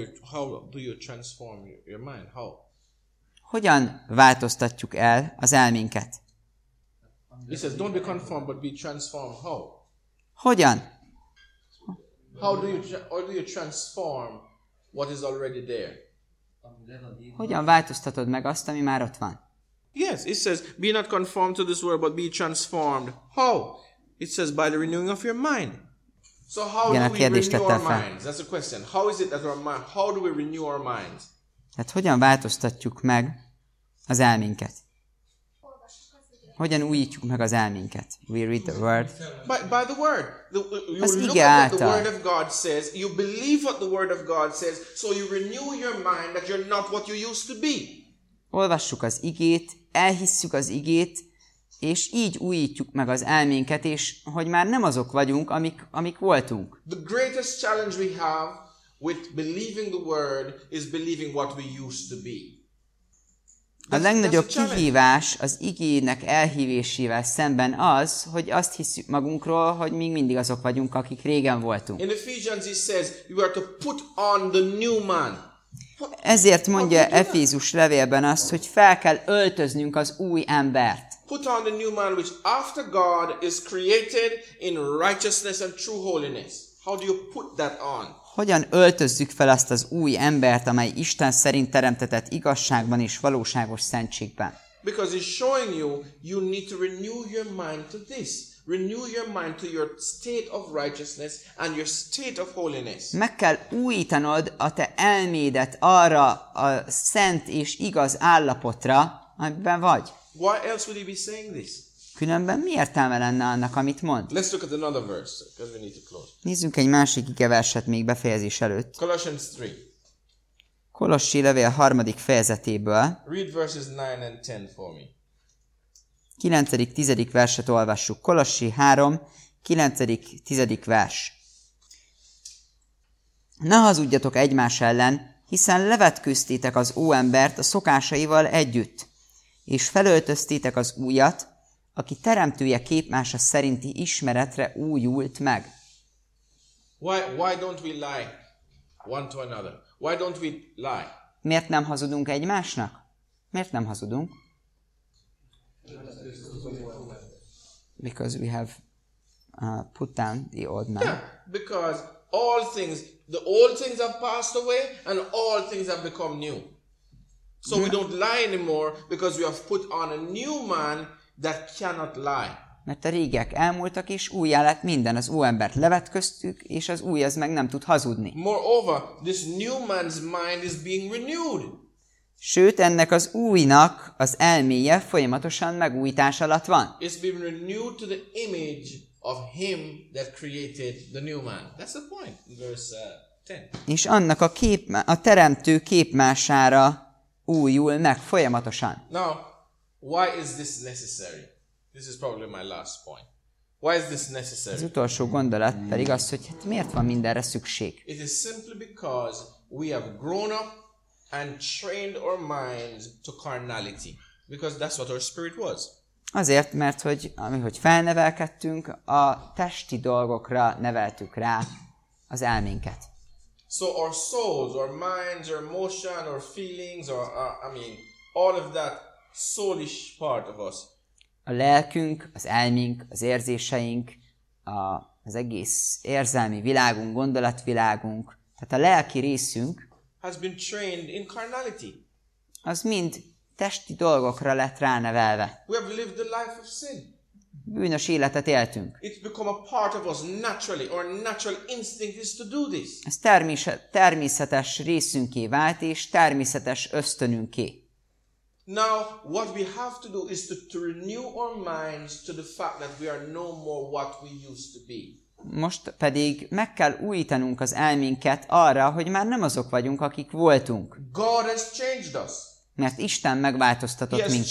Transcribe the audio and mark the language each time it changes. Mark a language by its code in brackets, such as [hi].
[en] How do you transform your mind? How? [hu] Hogyan változtatjuk el az elménket? [en] He says, don't be conformed, but be transformed. How? [hu] Hogyan? [en] How do you transform what is already there? [hu] Hogyan változtatod meg azt, ami már ott van? [en] Yes, it says, be not conformed to this world, but be transformed. How? It says by the renewing of your mind. So how do we renew our minds? That's the question. How is it that our mind? How do we renew our minds? [hu] Hát hogyan változtatjuk meg az elménket? Hogyan újítjuk meg az elménket? [en] We read the word. By the word. You look at what the word of God says. You believe what the word of God says. So you renew your mind that you're not what you used to be. [hu] Olvassuk az igét, elhisszük az igét. És így újítjuk meg az elménket, és hogy már nem azok vagyunk, amik voltunk. [en] The greatest challenge we have with believing the word is believing what we used to be. [hu] A legnagyobb kihívás az igének elhívésével szemben az, hogy azt hiszük magunkról, hogy még mindig azok vagyunk, akik régen voltunk. [en] In Ephesians it says you are to put on the new man. [hu] Ezért mondja Efézus levélben azt, hogy fel kell öltöznünk az új embert. [en] Put on the new man which after God is created in righteousness and true holiness. How do you put that on? [hu] Hogyan öltözzük fel azt az új embert, amely Isten szerint teremtetett igazságban és valóságos szentségben? [en] Because he's showing you need to renew your mind to this. Renew your mind to your state of righteousness and your state of holiness. [hu] Meg kell újítanod a te elmédet arra a szent és igaz állapotra, amiben vagy. [en] Why else would he be saying this? [hu] Különben mi értelme lenne annak, amit mond? [en] Let's look at another verse, because we need to close. [hu] Nézzünk egy másik igeverset még befejezés előtt. [en] Colossians 3. [hu] Kolossi levél harmadik fejezetéből. [en] Read verses 9 and 10 for me. [hu] 9. 10. verset olvassuk. Kolossi 3, 9. 10. vers. Ne hazudjatok egymás ellen, hiszen levetkőztétek az óembert a szokásaival együtt, és felöltöztétek az újat, aki teremtője képmása szerinti ismeretre újult meg. [en] Why don't we lie one to another? Why don't we lie? [hu] Miért nem hazudunk egymásnak? Miért nem hazudunk? [en] Because we have put down the old man. Yeah, because all things, the old things have passed away and all things have become new. So we don't lie anymore because we have put on a new man that cannot lie. [hu] Mert a régiek elmúltak és újjá lett minden, az új embert levetköztük és az új az meg nem tud hazudni. [en] Moreover, this new man's mind is being renewed. [hu] Sőt, ennek az újnak az elméje folyamatosan megújítás alatt van. [en] It's been renewed to the image of him that created the new man. That's the point. Verse 10. [hu] És annak a kép, a teremtő képmására újul meg folyamatosan. [en] Now, why is this necessary? This is probably my last point. Why is this necessary? [hu] Az utolsó gondolat pedig az, hogy hát miért van mindenre szükség. [en] It is simply because we have grown up and trained our minds to carnality, because that's what our spirit was. [hu] Azért, mert hogy amihogy felnevelkedtünk, a testi dolgokra neveltük rá az elménket. [en] So our souls, our minds, our emotion, our feelings, or I mean, all of that soulish part of us. [hu] A lelkünk, az elménk, az érzéseink, az egész érzelmi világunk, gondolatvilágunk, tehát a lelki részünk [en] has been trained in carnality. [hu] Az mind testi dolgokra lett ránevelve. [en] We have lived the life of sin. [hu] bűnös életet éltünk. [en] It's become a part of us naturally. Our natural instinct is to do this. [hu] Ez természetes részünké vált, és természetes ösztönünké. [en] Now, what we have to do is to renew our minds to the fact that we are no more what we used to be. [hu] Most pedig meg kell újítanunk az elménket arra, hogy már nem azok vagyunk, akik voltunk. [en] God has changed us. [hu] Mert Isten megváltoztatott minket.